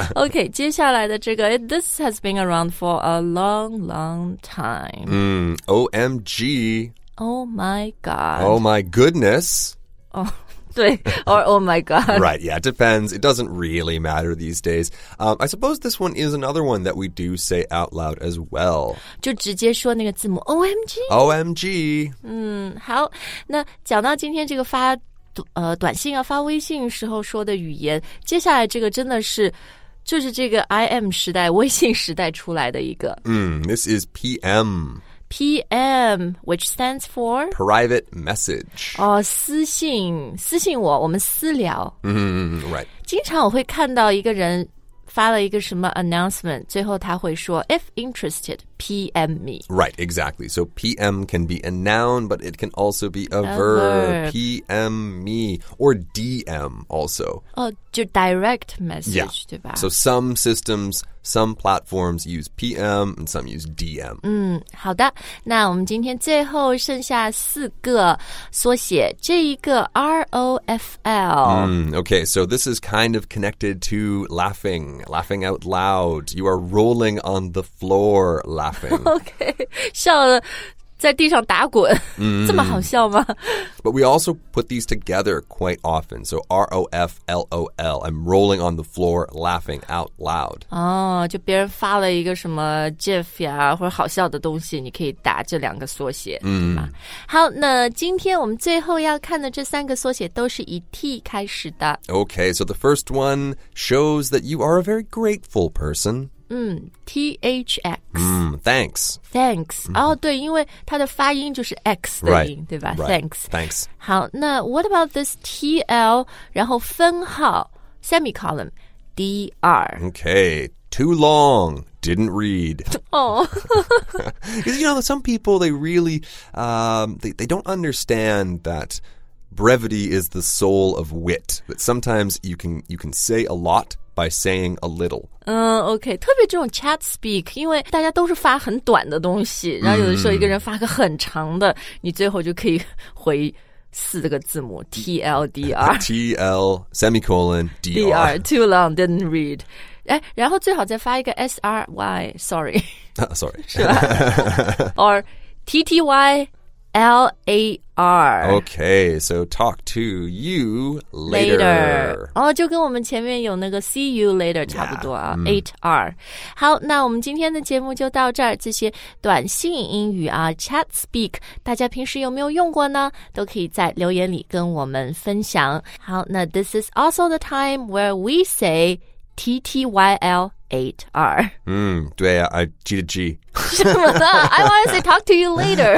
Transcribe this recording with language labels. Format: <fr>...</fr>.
<en>OK,</en> <zh>接下来的这个</zh> <en>this has been around for a long, long time. OMG. Oh my God. Oh my goodness. Oh. 对 or oh my god. Right, yeah, it depends. It doesn't really matter these days. I suppose this one is another one that we do say out loud as well.</en> <zh>就直接说那个字母 OMG.</zh> <en>OMG.</en> <zh>好，那讲到今天这个发短信啊，发微信时候说的语言，接下来这个真的是就是这个 IM 时代，微信时代出来的一个。</zh> <en>This is PM. PM, which stands for? Private message.</en> <zh>哦，私信，私信我，我们私聊。</zh> <en>Right.</en> <zh>经常我会看到一个人发了一个什么 announcement, 最后他会说</zh> <en>if interested, PM me. Right, exactly. So PM can be a noun, but it can also be a verb. PM me, or DM also.</en> <zh>哦，就</zh> <en>direct message, yeah.</en> <zh>对吧？</zh> <en>So some systems... Some platforms use PM and some use DM.</en> <zh>好的，那我们今天最后剩下四个缩写，这一个 ROFL.</zh> <en>Okay, so this is kind of connected to laughing out loud. You are rolling on the floor laughing.</en> <zh>Okay, 笑了在地上打滚、这么好笑吗</zh> <en>But we also put these together quite often. So ROFLOL, I'm rolling on the floor laughing out loud.</en> <zh>哦，就别人发了一个什么 GIF 呀、或者好笑的东西，你可以打这两个缩写、对吧？好，那今天我们最后要看的这三个缩写都是以 T 开始的。</zh> <en>Okay, so the first one shows that you are a very grateful person. THX. Thanks. Thanks.</en> <zh>对，因为它的发音就是 X 的音，</zh> <en>right,</en> <zh>对吧</zh> <en>right, ？Thanks. Thanks. 好，那 what about this TL?</en> <zh>然后分号</zh> <en>semicolon DR. Okay. Too long. Didn't read. Oh. Because you know some people they really they don't understand that. Brevity is the soul of wit. That sometimes you can say a lot by saying a little. Okay.</en> <zh>特别这种 chat speak, 因为大家都是发很短的东西，然后有的时候一个人发个很长的，你最后就可以回四个字母 TLDR.</zh> <en>TL semicolon DR. DR. Too long, didn't read.</en> <zh>然后最好再发一个 SRY, sorry.</zh> <en>Sorry. 是吧 Or TTY. LAR. Okay, so talk to you later.</en> <zh>就跟我们前面有那个 see you later 差不多啊 8R. 好，那我们今天的节目就到这儿。这些短信英语啊</zh> <en>chat speak,</en> <zh>大家平时有没有用过呢？都可以在留言里跟我们分享。</zh> <en>好，那 this is also the time where we say TTYL. 8R. 对啊 G to G.</en> <zh>什么呢</zh> <en>I want to say talk to you later.</en>